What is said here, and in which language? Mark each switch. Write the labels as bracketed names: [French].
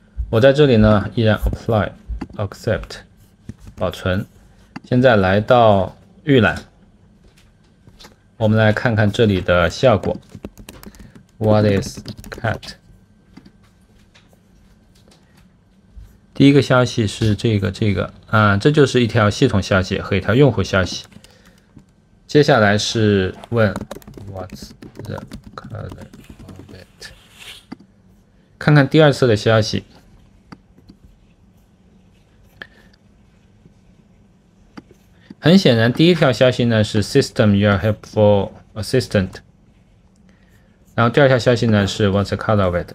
[Chinese] 我在这里呢依然 apply accept 保存，现在来到预览，我们来看看这里的效果。 [English] What is cat？ [Chinese] 第一个消息是这个啊，这就是一条系统消息和一条用户消息。接下来是问 [English] What's the color of it？ [Chinese] 看看第二次的消息，很显然第一条消息呢是 [English] System your helpful assistant， [Chinese] 然后第二条消息呢是 [English] What's the color of it。